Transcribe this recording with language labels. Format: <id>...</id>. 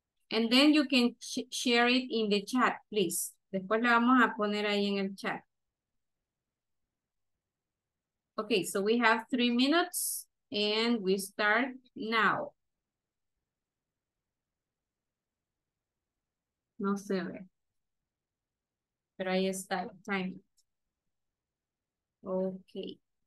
<en>And then you can share it in the chat, please.</en> <es>Después la vamos a poner ahí en el chat.</es> <en>Okay, so we have 3 minutes and we start now.</en> <es>No se ve, pero ahí está el timing. Okay.</es>